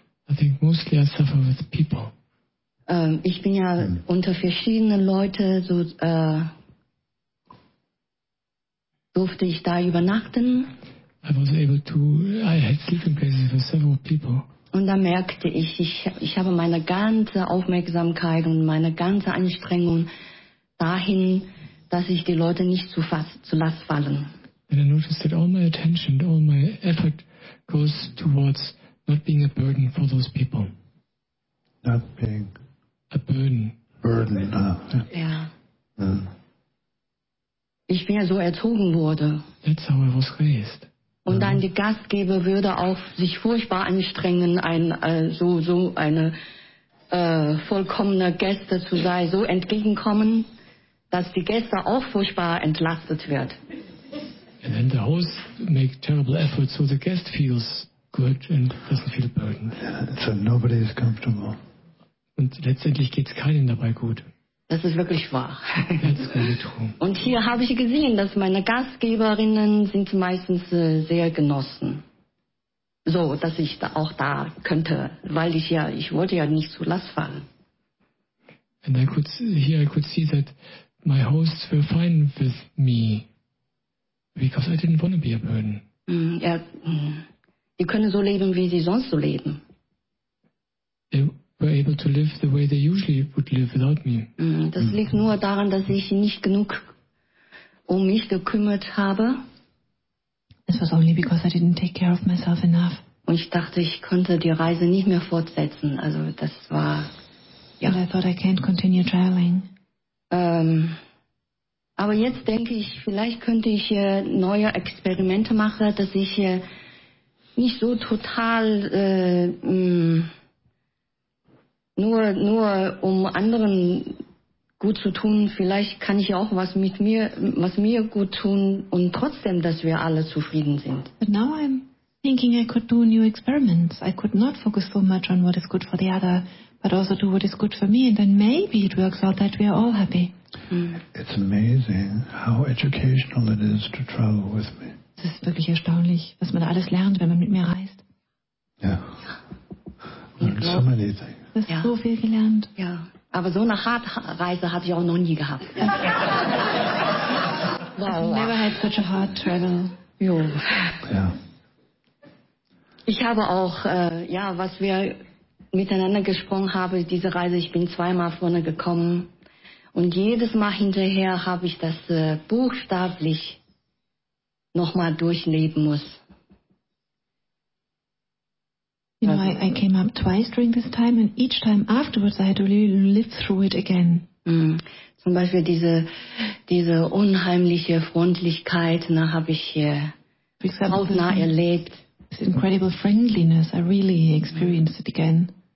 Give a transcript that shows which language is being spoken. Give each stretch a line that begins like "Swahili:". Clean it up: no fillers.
English: I think mostly I suffer with people.
German: Ich bin ja unter verschiedenen Leute so durfte ich da übernachten.
English: I was able to, I had sleeping places with several people.
German: Und da merkte ich, ich habe meine ganze Aufmerksamkeit und meine ganze Anstrengung dahin, dass ich die Leute nicht zu Last fallen.
English: And I noticed that all my attention, all my effort goes towards not being a burden for those people. Not being a burden. Burden. Ah, yeah. Yeah.
German: Ich bin ja so erzogen wurde.
English: That's how I was raised.
German: Und dann die Gastgeber würde auch sich furchtbar anstrengen, eine vollkommene Gäste zu sein, so entgegenkommen, dass die Gäste auch furchtbar entlastet wird.
English: And then the host make terrible efforts so the guest feels good and doesn't feel burdened. Yeah, so nobody is comfortable.
German: Und letztendlich geht's keinem dabei gut. Das ist wirklich wahr.
English: That's really true.
German: Und hier habe ich gesehen, dass meine Gastgeberinnen sind meistens sehr genossen. So, dass ich da auch da könnte, weil ich wollte ja nicht zu Last fallen.
English: And I could see that my hosts were fine with me. Because I didn't want to be a burden.
German: Ja, die können so leben, wie sie sonst so leben.
English: They were able to live the way they usually would live without me.
German: Das liegt nur daran, dass ich nicht genug um mich gekümmert habe.
English: It was only because I didn't take care of myself enough.
German: Und ich dachte, ich könnte die Reise nicht mehr fortsetzen. Also das war. Ja.
English: But I thought I can't continue traveling.
German: Aber jetzt denke ich, vielleicht könnte ich neue Experimente machen, dass ich nicht so total nur um anderen gut zu tun. Vielleicht kann ich auch was mit mir, was mir gut tun und trotzdem, dass wir alle zufrieden sind.
English: But now I'm thinking I could do new experiments. I could not focus so much on what is good for the other, but also do what is good for me. And then maybe it works out that we are all happy. It's amazing how educational it is to travel with me.
German: Es ist wirklich erstaunlich, was man alles lernt, wenn man mit mir reist.
English: Yeah. Learned so many things.
German: Das ist so viel gelernt. Ja. Aber so eine Hartreise habe ich auch noch nie gehabt.
English: Wow. I've never had such a hard travel.
German: Jo. Ja. Ich habe auch, was wir miteinander gesprochen haben, diese Reise, ich bin zweimal vorne gekommen. Und jedes Mal hinterher habe ich das buchstäblich nochmal durchleben muss.
English: You know, I came up twice during this time and each time afterwards I had to live through it again.
German: Zum Beispiel diese unheimliche Freundlichkeit, da habe ich hautnah erlebt.
English: This incredible friendliness, I really experienced it again.